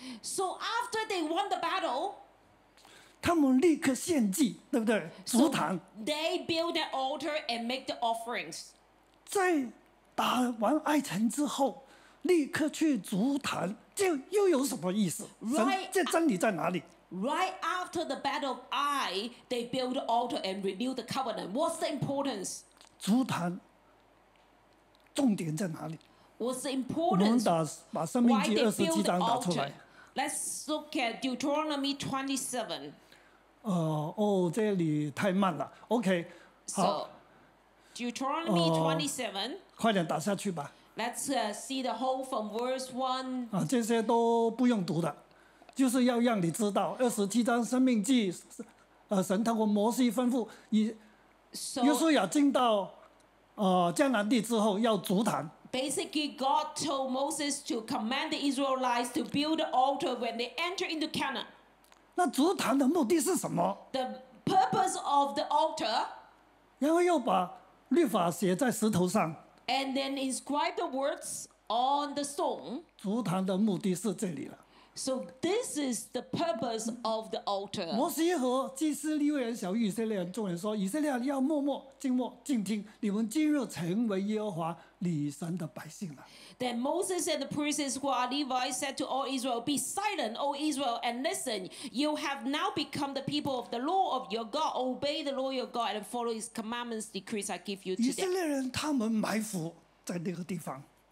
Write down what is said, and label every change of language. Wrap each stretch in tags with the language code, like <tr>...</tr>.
<en>So after they won the battle，</en> <zh>他们立刻献祭，对不对？祭坛。</zh> <en>So、they build an altar and make the offerings。</en> <zh>在打完爱城之后。立刻去筑坛，这又有什么意思？这真理在哪里</zh> <en>？Right after the battle of Ai, they build the altar and renew the covenant. What's the importance?</en> <zh>筑坛重点在哪里</zh> <en>？What's the importance?</en> <zh>我们把《生命记》二十七章打出来。</zh> <en>Let's look at Deuteronomy 27.</en> <zh>这里太慢了。OK， 好。</zh> <en>Deuteronomy 27.</en> <zh>快点打下去吧。</zh> <en>Let's see the whole from verse 1.</en> <zh>啊，这些都不用读的，就是要让你知道二十七章《生命记》，神透过摩西吩咐以约书亚进到迦南地之后要筑坛。</zh> <en>Basically, God told Moses to command the Israelites to build an altar when they enter into Canaan.</en> <zh>那筑坛的目的是什么</zh> <en>？The purpose of the altar.</en> <zh>然后又把律法写在石头上。</zh> <en>And then inscribe the words on the stone.</en> <zh>筑坛的目的是这里了。</zh> <en>So this is the purpose of the altar.</en> <zh>摩西和祭司利未人小于以色列人众人说：“以色列人要默默静默静听，你们今日成为耶和华你神的百姓了。”</zh> <en>Then Moses and the priests who are Levites said to all Israel, "Be silent, O Israel, and listen. You have now become the people of the law of your God. Obey the law of your God and follow His commandments, decrees I give you today."</en> <zh>以色列人他们埋伏在那个地方。</zh>